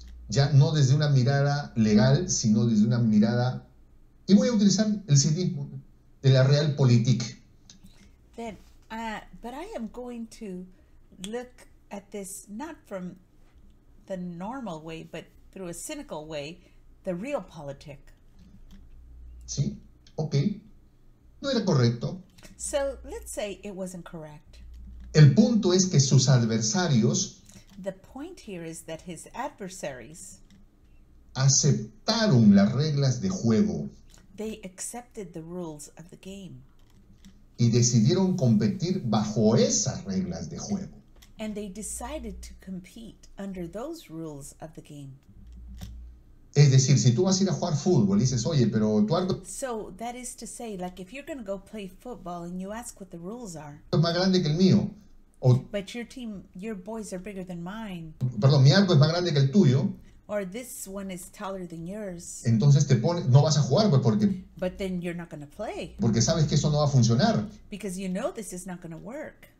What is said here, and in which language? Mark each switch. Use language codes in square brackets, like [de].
[es] Ya no desde una mirada legal, sino desde una mirada. Y voy a utilizar el cinismo. De la realpolitik. [en] Then, but I am going to look at this not from the normal way, but through a cynical way, the realpolitik. [es] Sí, okay. No era correcto. [en] So let's say it wasn't correct. [es] El punto es que sus adversarios. [en] The point here is that his adversaries [es] aceptaron las reglas de juego. [en] They accepted the rules of the game. [es] Y decidieron competir bajo esas reglas de juego. [en] And they decided to compete under those rules of the game. [es] Es decir, si tú vas a ir a jugar fútbol, dices, oye, pero Eduardo... [en] So that is to say, like if you're going to go play football and you ask what the rules are. [es] Es más grande que el mío. [en] But your team, your boys are bigger than mine. [es] Perdón, mi arco es más grande que el tuyo. [en] Or this one is taller than yours. [es] Entonces te pones, no vas a jugar pues porque. [en] But then you're not going to play. [es] Porque sabes que eso no va a funcionar. [en] Because you know this is not going to work.